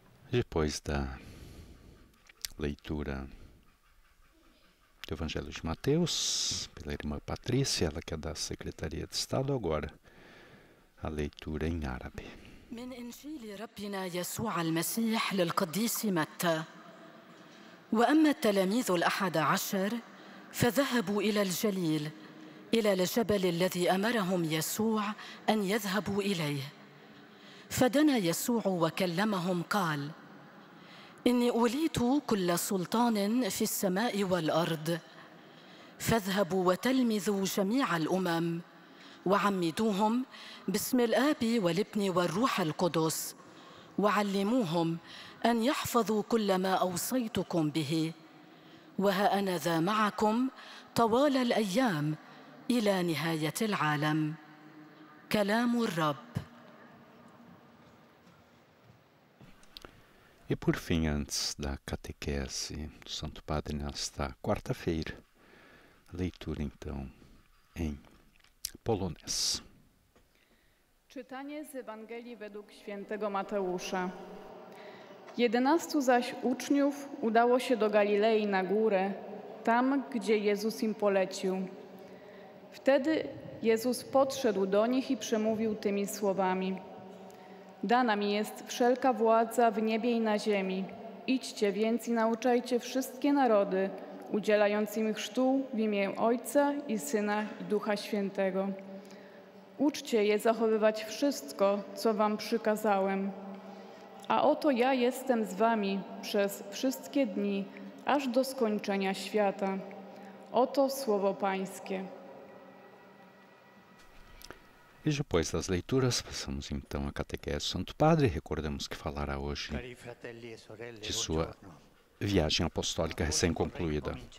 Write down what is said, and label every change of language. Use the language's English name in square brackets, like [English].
[Portuguese] Depois da leitura do Evangelho de Mateus, pela irmã Patrícia, ela que é da Secretaria de Estado, agora a leitura em árabe. [Arabic] من إنجيل ربنا يسوع المسيح للقديس متى وأما التلاميذ الأحد عشر فذهبوا إلى الجليل إلى الجبل الذي أمرهم يسوع أن يذهبوا إليه فدنا يسوع وكلمهم قال إني أوليت كل سلطان في السماء والأرض فاذهبوا وتلمذوا جميع الأمم وعمدوهم باسم الآب والابن والروح القدس وعلموهم أن يحفظوا كل ما أوصيتكم به وها أنا ذا معكم طوال الأيام إلى نهاية العالم كلام الرب. [Portuguese] E por fim, antes da catequese do Santo Padre nesta quarta-feira, leitura então em polonês. [Polish] Czytanie z Ewangelii według świętego Mateusza. 11 zaś uczniów udało się do Galilei na górę, tam, gdzie Jezus im polecił. Wtedy Jezus podszedł do nich i przemówił tymi słowami. Dana mi jest wszelka władza w niebie i na ziemi. Idźcie więc i nauczajcie wszystkie narody, udzielając im chrztu w imię Ojca i Syna i Ducha Świętego. Uczcie je zachowywać wszystko, co wam przykazałem. A oto ja jestem z wami przez wszystkie dni, aż do skończenia świata. Oto słowo Pańskie. [Portuguese] E depois das leituras, passamos então à catequese Santo Padre. Recordamos que falará hoje de sua viagem apostólica recém-concluída.